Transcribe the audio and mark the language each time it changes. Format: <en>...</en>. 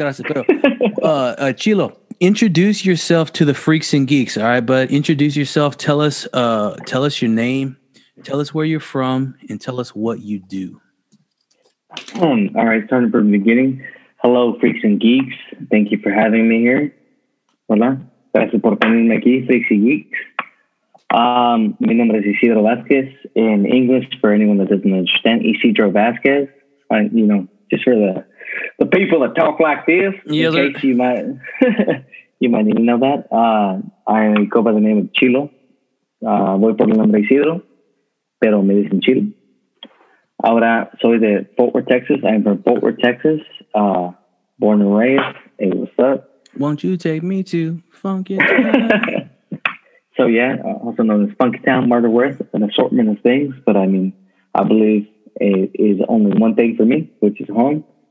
<es>Pero,</es> <en>Chilo, introduce yourself to the freaks and geeks, all right? But introduce yourself. Tell us your name. Tell us where you're from, and tell us what you do. All right, starting from the beginning. Hello, freaks and geeks. Thank you for having me here.</en> <es>Hola. Gracias por tenerme aquí, Freaks y Geeks. Mi nombre es Isidro Vázquez.</es> <en>In English, for anyone that doesn't understand, Isidro Vázquez. You know, just for the people that talk like this. Yeah, in case you might need to know that. I go by the name of Chilo.</en> <es>Voy por el nombre Isidro, pero me dicen Chilo. Ahora soy de Fort Worth, Texas.</es> <en>I am from Fort Worth, Texas. Born and raised. Hey, what's up? Won't you take me to Funky Town? So, yeah, also known as Funky Town, Martyrworth, an assortment of things. But, I mean, I believe it is only one thing for me, which is home.</en>